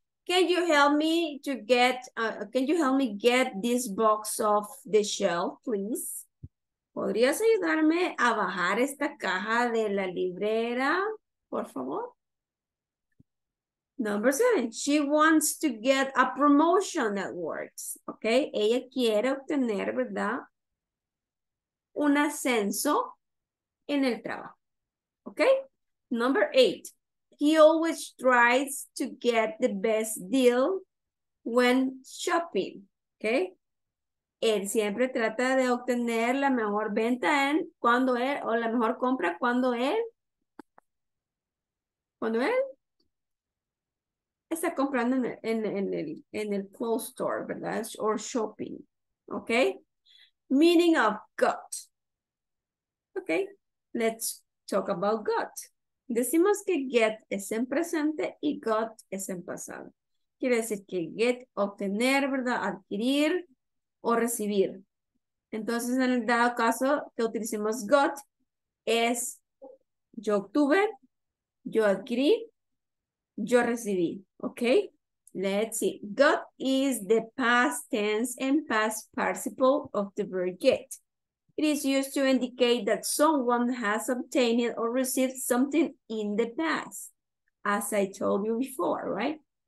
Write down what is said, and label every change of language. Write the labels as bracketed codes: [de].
[en] Can you help me get this box off the shelf, please? [es] ¿Podrías ayudarme a bajar esta caja de la librera, por favor? [en] Number seven, she wants to get a promotion at work. [es] Okay, ella quiere obtener, ¿verdad?, un ascenso en el trabajo. [en] Okay? Number eight, he always tries to get the best deal when shopping, okay? [es] Él siempre trata de obtener la mejor venta en cuando él, o la mejor compra cuando él cuando él está comprando en el [en] clothes store, [es] ¿verdad? [en] Or shopping, ¿ok? Meaning of got. ¿Ok? Let's talk about got. [es] Decimos que get es en presente y got es en pasado. Quiere decir que get, obtener, ¿verdad? Adquirir o recibir. Entonces, en el dado caso que utilicemos got, es yo obtuve, yo adquirí, yo recibí. [en] ¿Ok? Let's see. Got is the past tense and past participle of the verb get. It is used to indicate that someone has obtained or received something in the past, as I told you before, right?